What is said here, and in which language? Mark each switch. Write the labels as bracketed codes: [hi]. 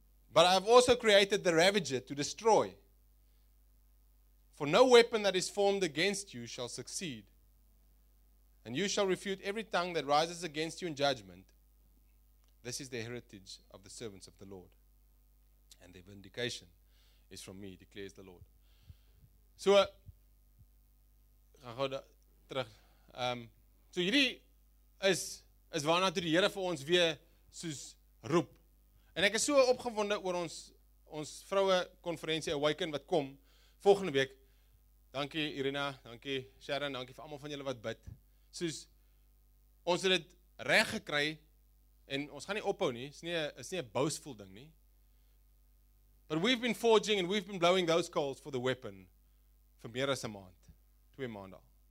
[en] But I have also created the ravager to destroy. For no weapon that is formed against you shall succeed. And you shall refute every tongue that rises against you in judgment. This is the heritage of the servants of the Lord. And their vindication is from me, declares the Lord. [af] So, so hierdie is waarna toe die Here vir ons weer soos roep. En ek is so opgewonde oor ons vroue konferensie Awaken wat kom volgende week. Dankie Irina, dankie Sharon, dankie vir almal van julle wat bid. Soos ons het dit reg gekry en ons gaan nie ophou nie. Is nie 'n boastful ding nie. [en] But we've been forging and we've been blowing those coals for the weapon for meer as 'n maand, 2 maande.